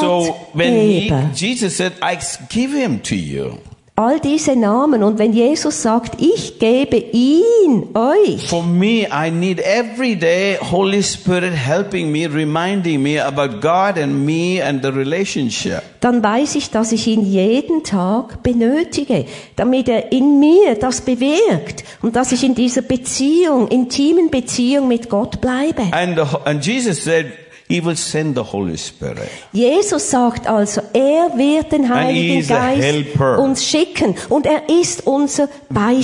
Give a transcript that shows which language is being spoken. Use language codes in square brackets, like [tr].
[en] So, when Jesus said, I give him to you. [de] All diese Namen. Und wenn Jesus sagt, ich gebe ihn euch. [en] For me, I need every day Holy Spirit helping me, reminding me about God and me and the relationship. [de] Dann weiß ich, dass ich ihn jeden Tag benötige, damit er in mir das bewirkt und dass ich in dieser Beziehung, intimen Beziehung mit Gott bleibe. [en] And Jesus said, He will send the Holy Spirit. [de] Jesus sagt also, wird den Heiligen Geist uns schicken und ist unser Beistand.